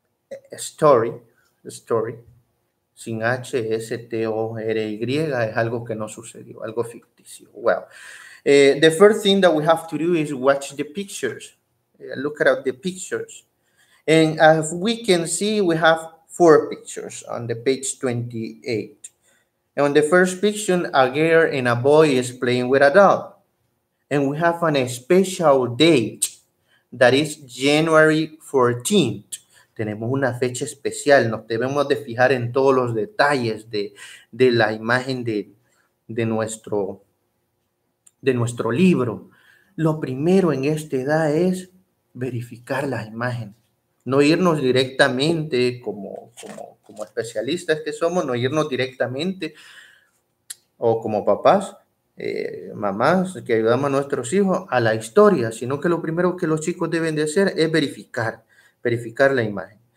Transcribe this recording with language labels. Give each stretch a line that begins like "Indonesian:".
Spanish: A story, sin H, S-T-O-R-Y, es algo que no sucedió, algo ficticio.
English: Well. The first thing that we have to do is watch the pictures. Look at the pictures. And as we can see, we have four pictures on the page 28. And on the first picture, a girl and a boy is playing with a dog. And we have a special date that is January 14th.
Spanish: Tenemos una fecha especial. Nos debemos de fijar en todos los detalles de la imagen de nuestro libro. Lo primero en esta edad es verificar las imágenes. No irnos directamente como especialistas que somos, no irnos directamente o como papás, mamás que ayudamos a nuestros hijos a la historia, sino que lo primero que los chicos deben de hacer es verificar la imagen.